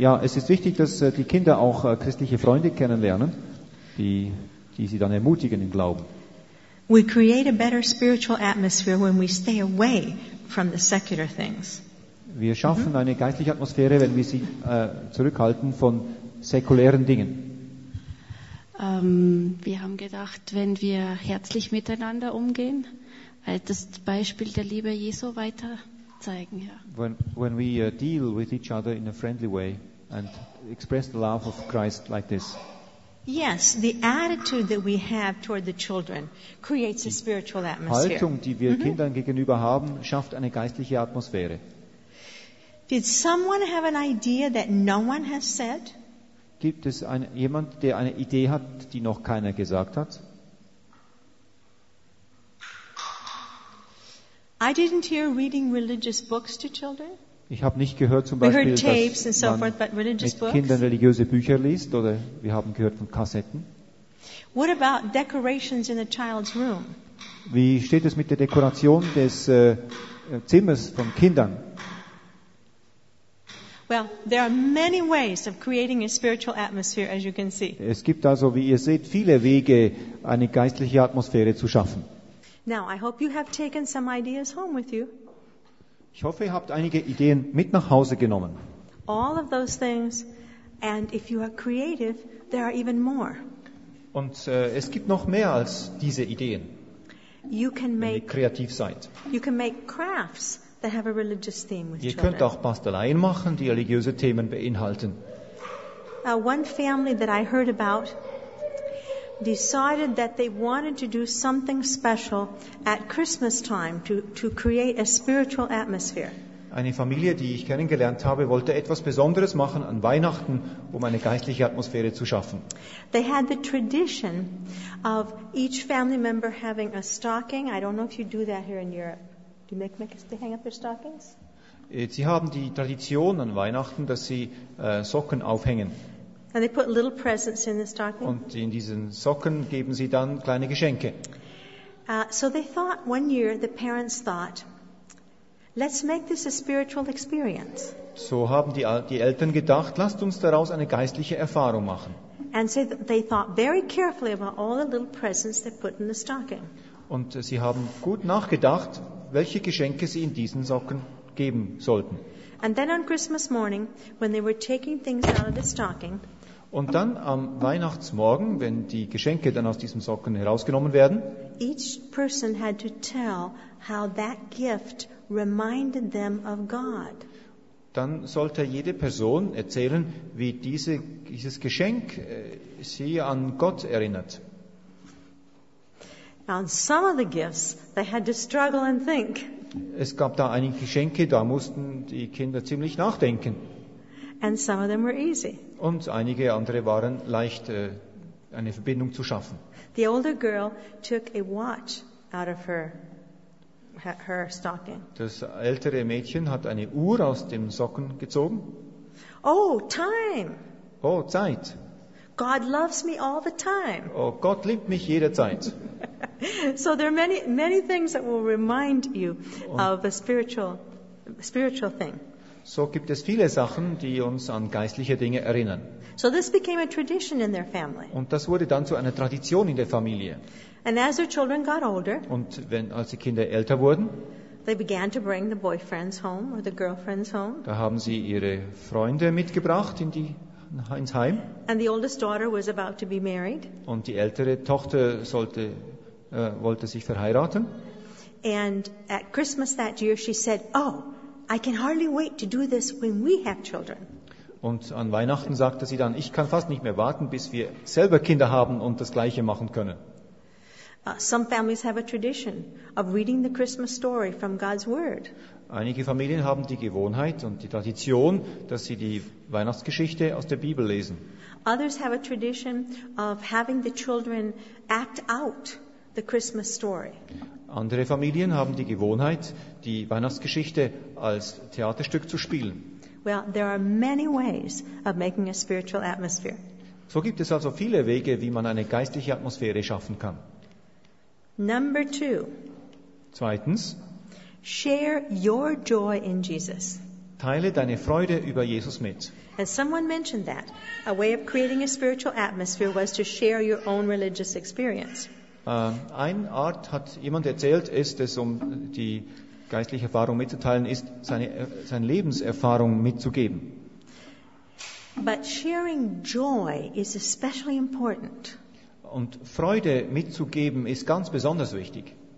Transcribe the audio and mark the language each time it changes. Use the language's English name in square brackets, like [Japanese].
[German] Ja, es ist wichtig, dass die Kinder auch christliche Freunde kennenlernen, die sie dann ermutigen im Glauben. [English] We create a better spiritual atmosphere when we stay away from the secular things. [German] Wir schaffen mhm. eine geistliche Atmosphäre, wenn wir sie zurückhalten von säkulären Dingen. Wir haben gedacht, wenn wir herzlich miteinander umgehen, als das Beispiel der Liebe Jesu weiter zeigen, Herr. [English] When we deal with each other in a friendly way and express the love of Christ like this. Yes, the attitude that we have toward the children creates a spiritual atmosphere. [German] Haltung, die wir Kindern gegenüber haben, schafft eine geistliche Atmosphäre. [English] Did someone have an idea that no one has said? [German] Gibt es jemand, der eine Idee hat, die noch keiner gesagt hat? [English] I didn't hear reading religious books to children. [German] Ich habe nicht gehört, zum Beispiel, dass man [English] so forth, [German] mit Kindern religiöse Bücher liest, oder wir haben gehört von Kassetten. [English] What about decorations in the child's room? [German] Wie steht es mit der Dekoration des Zimmers von Kindern? [English] Well, there are many ways of creating a spiritual atmosphere, as you can see. [German] Es gibt also, wie ihr seht, viele Wege, eine geistliche Atmosphäre zu schaffen. [English] Now, I hope you have taken some ideas home with you. [German] Ich hoffe, ihr habt einige Ideen mit nach Hause genommen. [English] All of those things, and if you are creative, there are even more. [German] Und es gibt noch mehr als diese Ideen. [English] You can make, [German] wenn ihr kreativ seid. [English] You can make crafts that have a religious theme with [German] ihr [English] children. [German] Könnt auch Basteleien machen, die religiöse Themen beinhalten. [English] One family that I heard about decided that they wanted to do something special at Christmas time to create a spiritual atmosphere. [German] Eine Familie, die ich kennengelernt habe, wollte etwas Besonderes machen an Weihnachten, um eine geistliche Atmosphäre zu schaffen. [English] They had the tradition of each family member having a stocking. I don't know if you do that here in Europe. Do you make hang up their stockings? [German] Sie haben die Tradition an Weihnachten, dass sie Socken aufhängen. [English] And they put little presents in the stocking. [German] Und in diesen Socken geben sie dann kleine Geschenke. [English] So they thought one year, the parents thought, let's make this a spiritual experience. [German] So haben die Eltern gedacht, lasst uns daraus eine geistliche Erfahrung machen. [English] And so they thought very carefully about all the little presents they put in the stocking. [German] Und sie haben gut nachgedacht, welche Geschenke sie in diesen Socken geben sollten. [English] And then on Christmas morning, when they were taking things out of the stocking. [German] Und dann am Weihnachtsmorgen, wenn die Geschenke dann aus diesem Socken herausgenommen werden, [English] each person had to tell how that gift reminded them of God. [German] Dann sollte jede Person erzählen, wie dieses Geschenk sie an Gott erinnert. [English] On some of the gifts, they had to struggle and think. [German] Es gab da einige Geschenke, da mussten die Kinder ziemlich nachdenken. [English] And some of them were easy. [German] Und einige andere waren leicht, eine Verbindung zu schaffen. [English] The older girl took a watch out of her stocking. [German] Das ältere Mädchen hat eine Uhr aus dem Socken gezogen. [English] Oh, time! [German] Oh, Zeit! [English] God loves me all the time. [German] Oh, Gott liebt mich jederzeit. [English] So there are many, many things that will remind you of a spiritual thing. [German] So gibt es viele Sachen, die uns an geistliche Dinge erinnern. [English] So this became a tradition in their family. [German] Und das wurde dann zu einer Tradition in der Familie. [English] And as their children got older, [German] und als die Kinder älter wurden, [English] they began to bring the boyfriends home or the girlfriends home. [German] Da haben sie ihre Freunde mitgebracht ins Heim. [English] And the oldest daughter was about to be married. [German] Und die ältere Tochter wollte sich verheiraten. [English] And at Christmas that year she said, "Oh, I can hardly wait to do this when we have children." [German] Und an Weihnachten sagte sie dann, ich kann fast nicht mehr warten, bis wir selber Kinder haben und das Gleiche machen können. [English] Some families have a tradition of reading the Christmas story from God's Word. [German] Einige Familien haben die Gewohnheit und die Tradition, dass sie die Weihnachtsgeschichte aus der Bibel lesen. [English] Others have a tradition of having the children act out the Christmas story. [German] Andere Familien haben die Gewohnheit, die Weihnachtsgeschichte als Theaterstück zu spielen. [English] Well, there are many ways of making a spiritual atmosphere. [German] So gibt es also viele Wege, wie man eine geistliche Atmosphäre schaffen kann. [English] Number two. [German] Zweitens. [English] Share your joy in Jesus. [German] Teile deine Freude über Jesus mit. [English] As someone mentioned that, a way of creating a spiritual atmosphere was to share your own religious experience. [German] Eine Art, hat jemand erzählt, ist es, um die geistliche Erfahrung mitzuteilen, ist, seine Lebenserfahrung mitzugeben. [English] But sharing joy is especially important. [German] Und Freude mitzugeben ist ganz besonders wichtig.